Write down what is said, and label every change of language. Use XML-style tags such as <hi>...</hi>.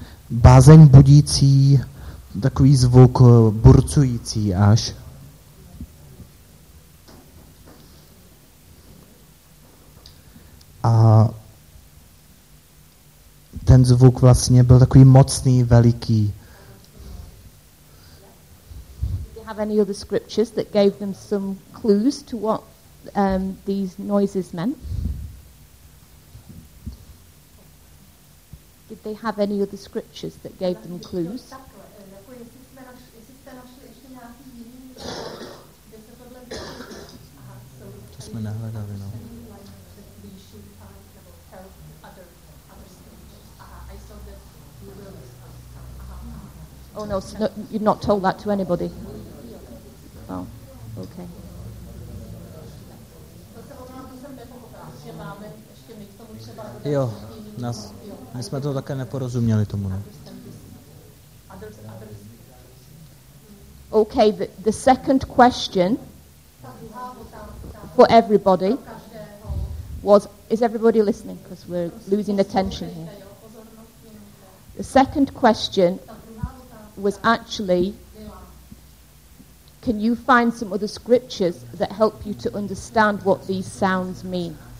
<cs>Bázeň budící, takový zvuk burcující až. A ten zvuk vlastně byl takový mocný, veliký.</cs> <en>Do you have any other scriptures that gave them some clues to what these noises meant? Did they have any other scriptures that gave them clues? Oh no, so no, you've not told that to anybody. Oh, okay.</en> <cs>Jo, nás, my jsme to také neporozuměli tomu. Ne?</cs> <en>Okay, the second question for everybody was, is everybody listening? Because we're losing attention here. The second question was actually, can you find some other scriptures that help you to understand what these sounds mean?</en>